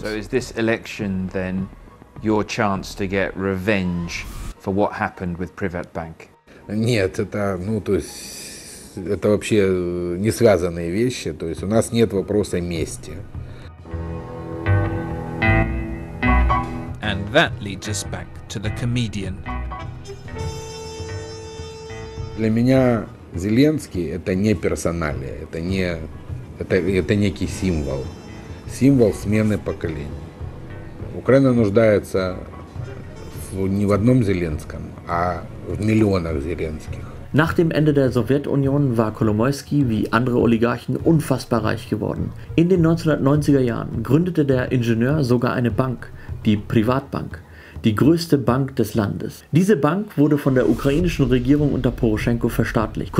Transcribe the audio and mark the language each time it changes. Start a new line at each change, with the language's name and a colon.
English: So is this election then your chance to get revenge for what happened with Privatbank?
Russian: Нет, это, ну, то есть это вообще не связанные вещи, то есть у нас нет вопроса мести.
English: that leads us back to the comedian.
Russian: Для меня Зеленский это не персоналия, это не это некий символ, символ смены поколений. Украина нуждается не в одном Зеленском, а в миллионах Зеленских.
German: Nach dem Ende der Sowjetunion war Kolomoisky wie andere Oligarchen unfassbar reich geworden. In den 1990er Jahren gründete der Ingenieur sogar eine Bank, die Privatbank, die größte Bank des Landes. Diese Bank wurde von der ukrainischen Regierung unter Poroschenko verstaatlicht.